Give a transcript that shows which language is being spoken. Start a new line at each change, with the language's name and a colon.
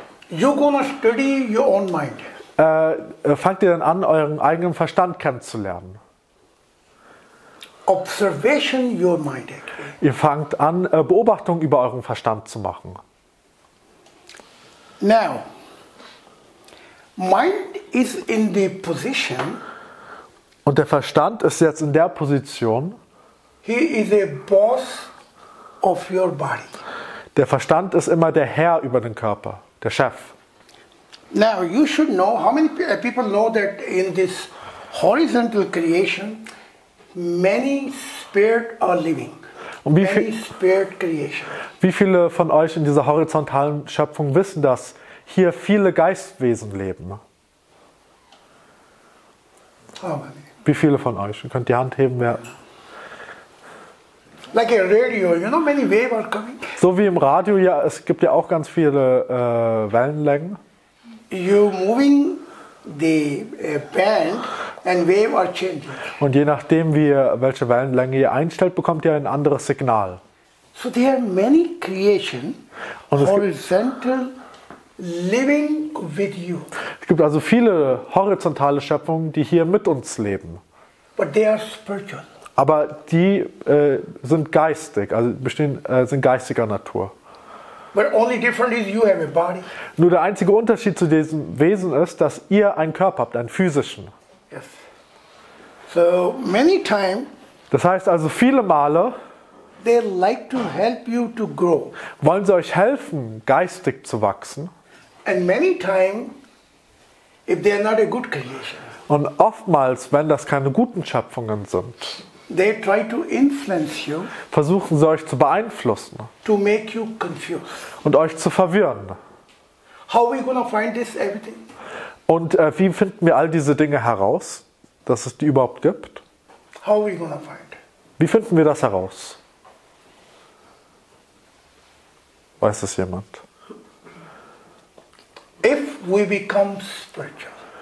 English: You're gonna study your own mind.
German: Fangt ihr dann an, euren eigenen Verstand kennenzulernen.
English: Observation your mind.
German: Ihr fangt an, Beobachtungen über euren Verstand zu machen.
English: Now, mind is in the position.
German: Und der Verstand ist jetzt in der Position.
English: He is a boss of your body.
German: Der Verstand ist immer der Herr über den Körper, der Chef.
English: Now you should know how many people know that in this horizontal creation. Many spirit are living.
German: Und
English: many spirit creation.
German: Wie viele von euch in dieser horizontalen Schöpfung wissen, dass hier viele Geistwesen leben? Oh, wie viele von euch? Ihr könnt die Hand heben, wer?
English: Like a radio, you know, many waves are coming.
German: So wie im Radio, ja, es gibt ja auch ganz viele Wellenlängen.
English: You're moving the band. And wave are changing.
German: Und je nachdem, wie ihr, welche Wellenlänge ihr einstellt, bekommt ihr ein anderes Signal.
English: So there are many creation horizontal living with you.
German: Es gibt also viele horizontale Schöpfungen, die hier mit uns leben.
English: But they are spiritual.
German: Aber die sind geistig, also bestehen sind geistiger Natur.
English: But only different is you have a body.
German: Nur der einzige Unterschied zu diesem Wesen ist, dass ihr einen Körper habt, einen physischen.
English: So many times.
German: Das heißt also viele Male.
English: They like to help you to grow.
German: Wollen sie euch helfen, geistig zu wachsen?
English: And many times, if they are not a good creation.
German: Und oftmals, wenn das keine guten Schöpfungen sind.
English: They try to influence you.
German: Versuchen sie euch zu beeinflussen.
English: To make you confused.
German: Und euch zu verwirren.
English: How are we gonna find this everything?
German: Und wie finden wir all diese Dinge heraus? Dass es die überhaupt gibt.
English: How are we gonna find?
German: Wie finden wir das heraus? Weiß es jemand?
English: If we become spiritual.